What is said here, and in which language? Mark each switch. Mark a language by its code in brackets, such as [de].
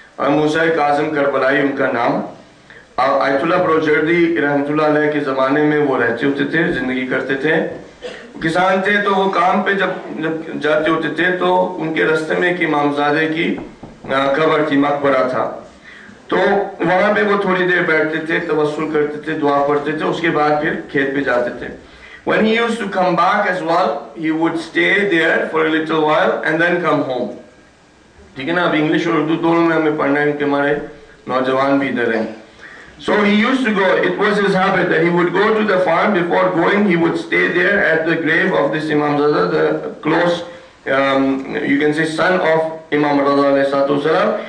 [hi] मूसा काजम करबलाई उनका नाम। अब आयतुल्ला प्रोजर्दी रहमतुल्लाह अलैह के जमाने में वो रहते होते थे, जिंदगी करते थे। किसान थे तो वो काम पे जब जब जाते होते थे तो उनके रास्ते में एक इमामजादे की कब्र थी, मकबरा था। तो वहां पे वो थोड़ी देर बैठते थे, तवस्सुल करते थे, दुआ पढ़ते थे, उसके बाद फिर खेत पे जाते थे। [en] When he used to come back as well, he would stay there for a little while and then come home. [hi] ठीक है ना? अब इंग्लिश और उर्दू दोनों में हमें पढ़ना है, हमारे नौजवान भी इधर हैं। [en] So he used to go, it was his habit that he would go to the farm, before going he would stay there at the grave of this Imam Raza, the close, you can say son of Imam Raza alayhi salatu wasalam.